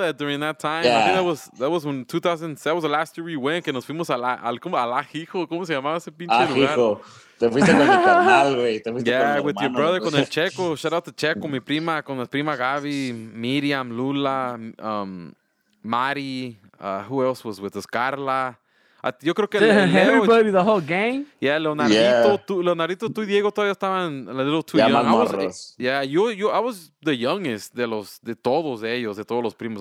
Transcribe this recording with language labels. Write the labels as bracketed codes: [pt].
[en] That during that time, yeah. I think that was when 2007, was the last year we went, [es] que nos fuimos al Ajijo, ¿cómo se llamaba ese pinche lugar? Ajijo. Te fuiste con el carnal, güey. [en] Yeah, with humano, your brother, [es] con el Checo. [en] Shout out to Checo, [es] mi prima, con la prima [en] Gaby, Miriam, Lula, Mari, who else was with us? [es] Carla. Yo creo que... [en] Everybody, the whole gang. Yeah, Leonardito, yeah. [es] Leonardito, tú y Diego todavía estaban [en] a little too young. [es] Más morros. [en] I was the youngest [es] de todos los primos.